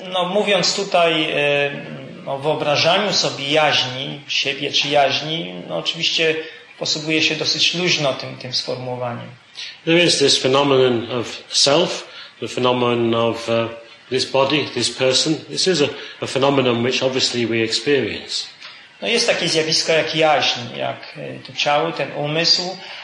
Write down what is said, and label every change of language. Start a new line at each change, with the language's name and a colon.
Polish: Mówiąc tutaj o wyobrażaniu sobie jaźni, siebie czy jaźni, no oczywiście posługuje się dosyć luźno tym sformułowaniem.
English: There is this phenomenon of self, the phenomenon of this body, this person, this is a phenomenon which obviously we experience.
Polish: No jest takie zjawisko jak jaźń, jak to ciało, ten umysł.